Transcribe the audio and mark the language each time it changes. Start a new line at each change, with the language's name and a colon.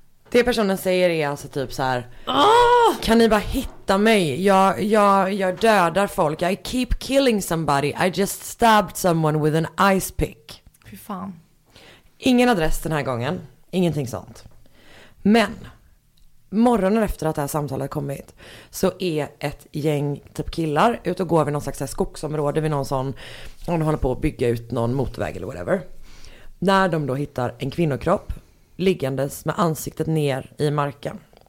Swedish: Det personen säger är alltså typ så här. Kan ni bara hitta mig? Jag dödar folk.
English: I keep killing somebody. I just stabbed someone with an ice pick.
Swedish: Fy fan. Ingen adress den här gången. Ingenting sånt. Men morgonen efter att det här samtalet kommit så är ett gäng typ killar ute och går vid någon slags skogsområde vid någon sån, och de håller på att bygga ut någon motorväg eller whatever. När de då hittar en kvinnokropp liggandes med ansiktet ner i marken.